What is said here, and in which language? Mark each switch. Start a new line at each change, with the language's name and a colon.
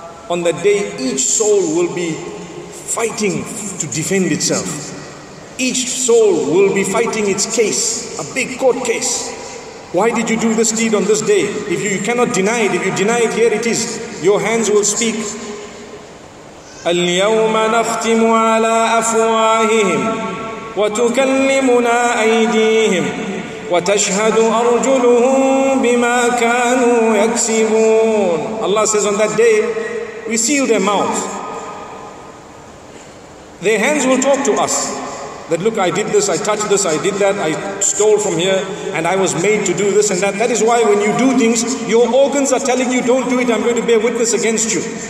English: On that day, each soul will be fighting to defend itself. Each soul will be fighting its case, a big court case. Why did you do this deed on this day? If you cannot deny it, if you deny it, here it is. Your hands will speak.
Arabic: اليوم نختم على أفواههم وتكلمنا أيديهم وتشهد أرجلهم بما كانوا يكسبون.
English: Allah says, on that day, we seal their mouths. Their hands will talk to us. That look, I did this, I touched this, I did that, I stole from here, and I was made to do this and that. That is why when you do things, your organs are telling you, don't do it, I'm going to bear witness against you.